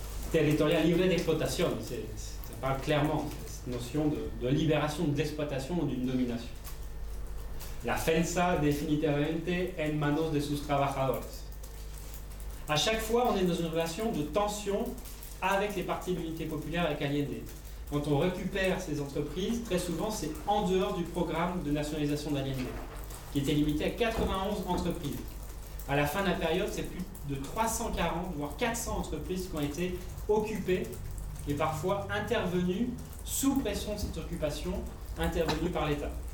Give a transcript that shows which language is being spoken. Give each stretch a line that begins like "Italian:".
French: territorial libre d'exploitation, ça parle clairement cette notion de libération d'exploitation ou d'une domination.
Spanish: La fensa definitivamente en manos de sus trabajadores.
French: À chaque fois, on est dans une relation de tension avec les partis de l'unité populaire avec Allende. Quand on récupère ces entreprises, très souvent, c'est en dehors du programme de nationalisation d'Allende, qui était limité à 91 entreprises. À la fin de la période, c'est plus de 340, voire 400 entreprises qui ont été occupées et parfois intervenues sous pression de cette occupation, intervenues par l'État.